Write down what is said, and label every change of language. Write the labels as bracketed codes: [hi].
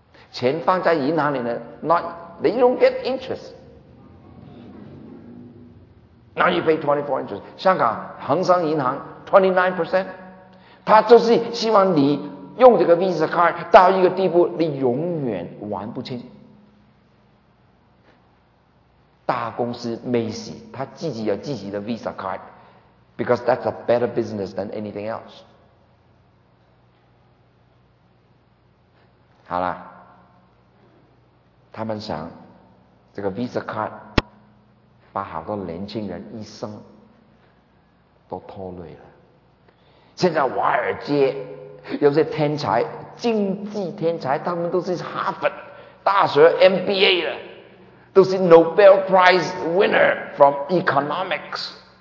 [zh] 钱放在银行里呢， [en] they don't get interest， now you pay 24% [zh] 香港恒生银行 29%， 他就是希望你用这个 Visa card 到一个地步你永远还不清。大公司美西他自己有自己的 Visa card， [en] because that's a better business than anything else。 [zh] 好了，他们想这个 Visa card 把好多年轻人一生都拖累了。现在华尔街有些天才，经济天才，他们都是哈佛大学 MBA 的，都是 [en] Nobel Prize winner from economics。